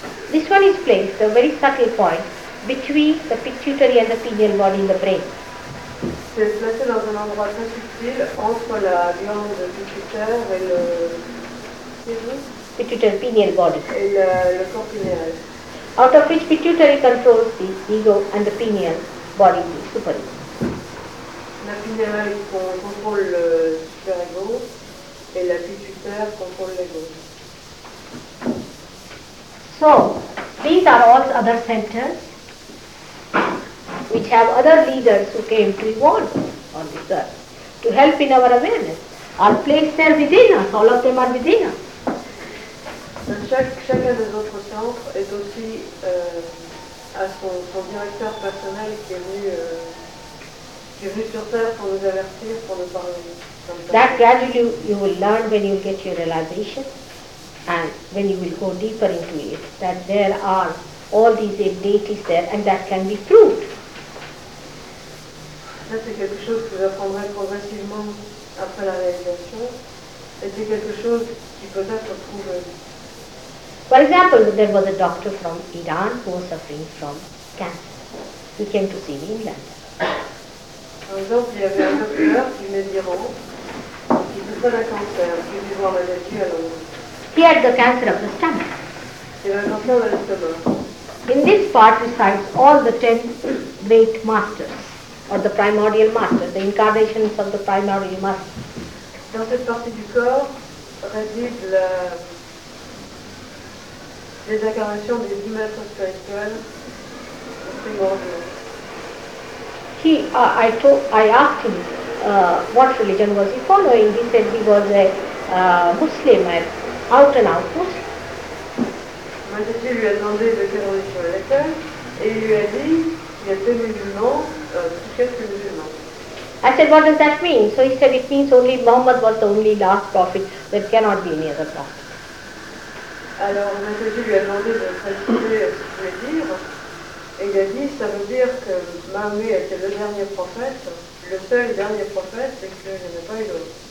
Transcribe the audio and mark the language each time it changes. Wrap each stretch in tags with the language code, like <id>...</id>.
<en>This one is placed, a very subtle point, between the pituitary and the pineal body in the brain.</en> <fr>C'est placé dans un endroit très subtil entre la glande pituitaire et le</fr> <en>pituitary pineal body.</en> <fr>Et le corps pineal.</fr> <en>Out of which pituitary controls the ego and the pineal body, the super ego.</en> <fr>La pineal contrôle le super ego. et l'appui du père contrôle l'ego.</fr> <en>So, these are all other centers which have other leaders who came to evolve on this earth to help in our awareness. Are placed there within us, all of them are within us.</en> <fr>Chacun des autres centres est aussi à son directeur personnel qui est venu sur terre pour nous avertir, pour nous parler.</fr> <en>That gradually you will learn when you get your realization and when you will go deeper into it, that there are all these abilities there and that can be proved.</en> <fr>Ça c'est quelque chose que j'apprendrai progressivement après la réalisation et c'est quelque chose qui peut-être prouve.</fr> <en>For example, there was a doctor from Iran who was suffering from cancer. He came to see me in London. He had the cancer of the stomach. In this part resides all the 10 great masters, or the primordial masters, the incarnations of the primordial masters.</en> <fr>Dans cette partie du corps réside la les incarnations des 10 maîtres spirituels primordiaux.</fr> <en>I asked him what religion was he following. He said he was a Muslim, an out and out Muslim.</en> <fr>Ma sœur lui a demandé de quelle religion elle était et il lui a dit qu'il était musulman, presque musulman.</fr> <en>I said, what does that mean? So he said, it means only Muhammad was the only last prophet, there cannot be any other prophet.</en> <fr>Alors, ma sœur lui a demandé de préciser ce qu'il voulait dire et il a dit, ça veut dire que Mahomet était le dernier prophète, le seul dernier prophète et qu'il n'y en a pas eu d'autre.</fr>